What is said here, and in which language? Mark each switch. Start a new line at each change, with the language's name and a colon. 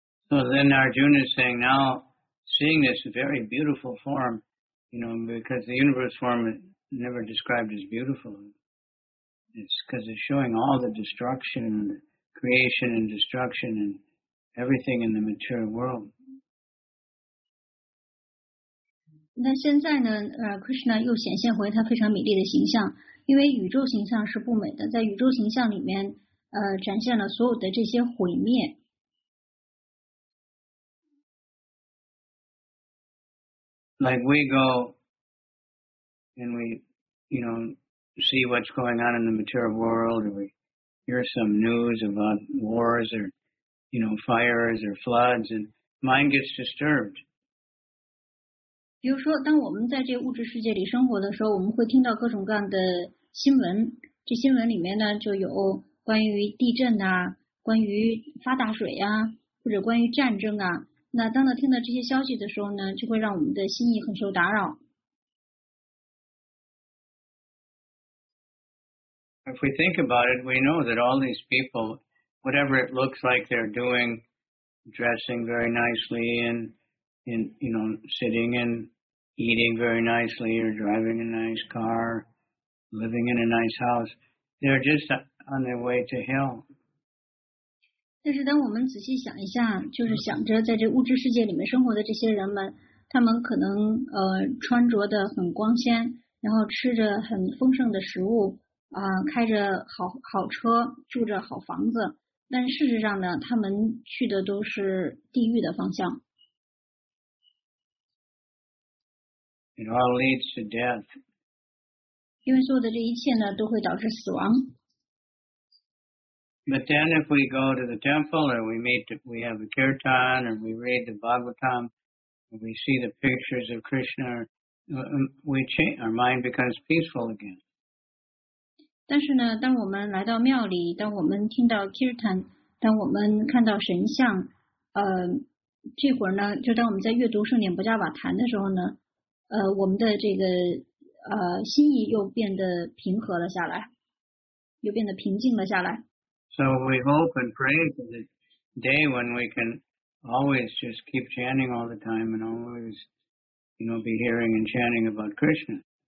English: So then Arjuna is saying, now seeing this very beautiful form, you know, because the universe form is never described as beautiful, it's because it's showing all the destruction and creation and destruction and everything in the material world.
Chinese: 那现在呢Krishna 又显现回他非常美丽的形象，因为宇宙形象是不美的，在宇宙形象里面展现了所有的这些毁灭。
English: Like we go and we, you know, see what's going on in the material world, and we hear some news about wars or, you know, fires or floods, and mind gets disturbed.
Chinese: 比如说，当我们在这物质世界里生活的时候，我们会听到各种各样的新闻。这新闻里面呢，就有关于地震啊，关于发大水啊，或者关于战争啊。那当他听到这些消息的时候呢，就会让我们的心意很受打扰。
English: If we think about it, we know that all these people, whatever it looks like they're doing, dressing very nicely and, you know, sitting and eating very nicely or driving a nice car, living in a nice house, they're just on their way to hell.
Chinese: 但是当我们仔细想一下，就是想着在这物质世界里面生活的这些人们，他们可能穿着的很光鲜，然后吃着很丰盛的食物。开着好车，住着好房子，但事实上呢，他们去的都是地狱的方向。
English: It all leads to death.
Chinese: 因为所有的这一切呢，都会导致死亡。
English: But then if we go to the temple, or we meet, we have a kirtan, or we read the Bhagavatam, or we see the pictures of Krishna, we change, our mind becomes peaceful again.
Chinese: 但是呢，当我们来到庙里，当我们听到 kirtan， 当我们看到神像，这会儿呢，就当我们在阅读圣典不加瓦坛的时候呢，我们的这个心意又变得平和了下来，又变得平静了下来。
English: So we hope and pray for the day when we can always just keep chanting all the time and always, you know, be hearing and chanting about Krishna.